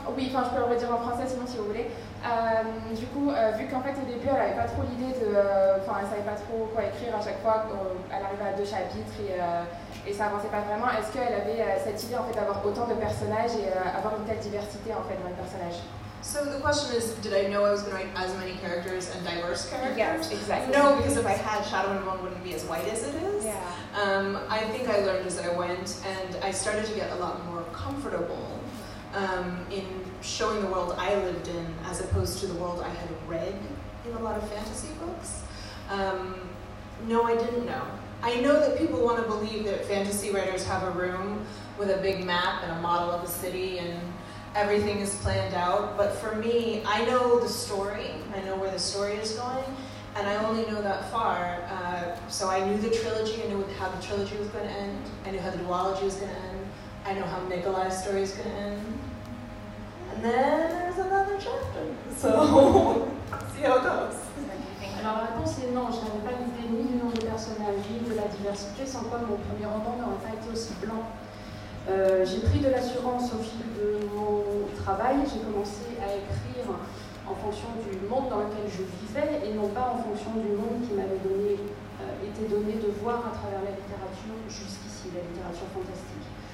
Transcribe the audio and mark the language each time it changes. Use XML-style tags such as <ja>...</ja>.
<fr>Oui, enfin, je peux le redire en français, sinon, si vous voulez. Du coup, vu qu'en fait, au début, elle n'avait pas trop l'idée de... Enfin, elle ne savait pas trop quoi écrire à chaque fois. Elle arrivait à 2 chapitres et ça n'avançait pas vraiment. Est-ce qu'elle avait cette idée, en fait, d'avoir autant de personnages et avoir une telle diversité, en fait, dans les personnages?</fr> <en>So the question is, did I know I was going to write as many characters and diverse characters? Yes, exactly. No, because if I had, Shadow and Bone wouldn't be as white as it is. Yeah. I think I learned as I went, and I started to get a lot more comfortable in showing the world I lived in as opposed to the world I had read in a lot of fantasy books. No, I didn't know. I know that people want to believe that fantasy writers have a room with a big map and a model of a city and everything is planned out, but for me, I know the story, I know where the story is going, and I only know that far. So I knew the trilogy, I knew how the trilogy was going to end, I knew how the duology was going to end, I know how Nikolai's story is going to end. And then there's another chapter, so see how it goes.</en> <fr>Alors la réponse est non, je n'avais pas l'idée ni du nombre de personnages, ni de la diversité, sans quoi mon premier roman n'aurait pas été aussi blanc. J'ai pris de l'assurance au fil de mon travail, j'ai commencé à écrire en fonction du monde dans lequel je vivais et non pas en fonction du monde qui m'avait été donné de voir à travers la littérature jusqu'ici, la littérature fantastique.</fr>